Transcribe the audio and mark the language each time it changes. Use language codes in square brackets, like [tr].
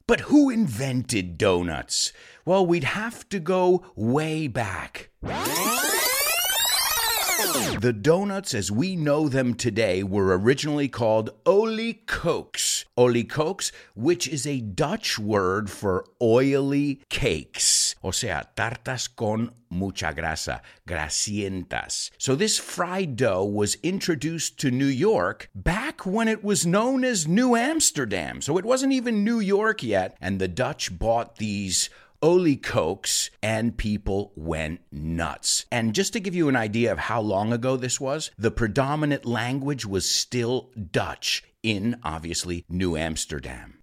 [en] But who invented donuts? Well, we'd have to go way back. The donuts as we know them today were originally called Olie Cokes. Olie Cokes, which is a Dutch word for oily cakes. [es] O sea, tartas con mucha grasa, grasientas. [en] So this fried dough was introduced to New York back when it was known as New Amsterdam. So it wasn't even New York yet. And the Dutch bought these Oli Cokes, and people went nuts. And just to give you an idea of how long ago this was, the predominant language was still Dutch in, obviously, New Amsterdam.